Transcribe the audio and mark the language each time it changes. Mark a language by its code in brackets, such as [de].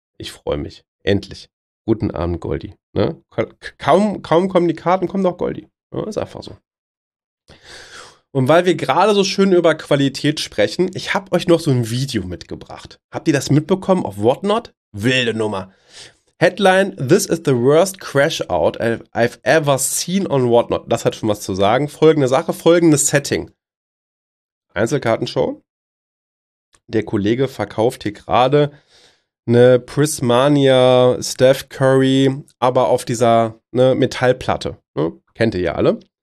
[de] Ich freue mich. Endlich. Guten Abend, Goldi. Ne? Kaum kommen die Karten, kommt auch Goldi. Ja, ist einfach so. Und weil wir gerade so schön über Qualität sprechen, ich habe euch noch so ein Video mitgebracht. Habt ihr das mitbekommen auf Whatnot? Wilde Nummer. [en] Headline, this is the worst crash out I've ever seen on Whatnot. [de] Das hat schon was zu sagen. Folgende Sache, folgendes Setting. Einzelkartenshow. Der Kollege verkauft hier gerade eine Prismania Steph Curry, aber auf dieser, ne, Metallplatte. Ne? Kennt ihr ja alle.